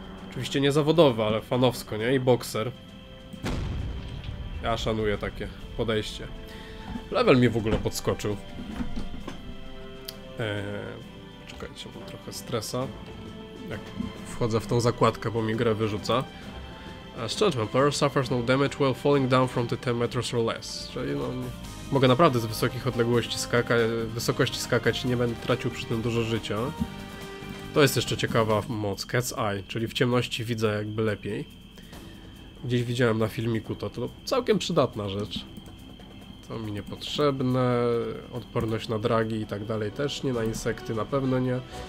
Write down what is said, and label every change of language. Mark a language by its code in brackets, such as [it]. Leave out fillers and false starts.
[pl] Oczywiście nie zawodowy, ale fanowsko, nie? I bokser. Ja szanuję takie podejście. Level mi w ogóle podskoczył. Czekajcie, mam trochę stresa. Jak wchodzę w tą zakładkę, bo mi grę wyrzuca. Strzelczmy. [en] Player suffers no damage while falling down from the 10 meters or less. [pl] Czyli no... Mogę naprawdę z wysokich odległości wysokości skakać i nie będę tracił przy tym dużo życia. To jest jeszcze ciekawa moc, Cat's Eye, czyli w ciemności widzę jakby lepiej. Gdzieś widziałem na filmiku to całkiem przydatna rzecz. To mi niepotrzebne, odporność na dragi i tak dalej też nie, na insekty na pewno nie.